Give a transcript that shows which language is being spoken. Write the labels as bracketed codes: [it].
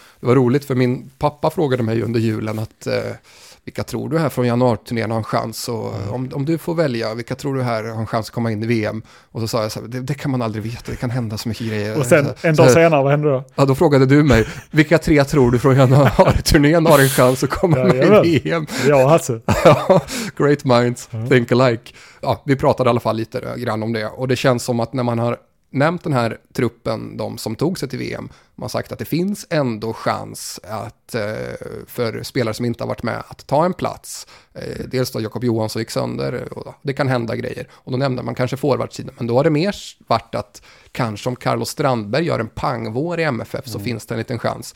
[sv] Det var roligt, för min pappa frågade mig under julen att... vilka tror du här från januari-turnén har en chans? Och om du får välja, vilka tror du här har en chans att komma in i VM? Och så sa jag så här, det kan man aldrig veta, det kan hända så mycket grejer. Och sen, en dag senare, vad händer då? Ja, då frågade du mig, vilka tre tror du från januari-turnén har en chans att komma med i VM? Ja, alltså. [en] Great minds, think alike. [sv] Ja, vi pratade i alla fall lite grann om det. Och det känns som att när man har nämnt den här truppen, de som tog sig till VM, man har sagt att det finns ändå chans att för spelare som inte har varit med att ta en plats. Dels då Jakob Johansson gick sönder och det kan hända grejer. Och då nämnde man kanske forwardsidan, men då har det mer varit att kanske om Carlos Strandberg gör en pangvår i MFF så finns det en liten chans.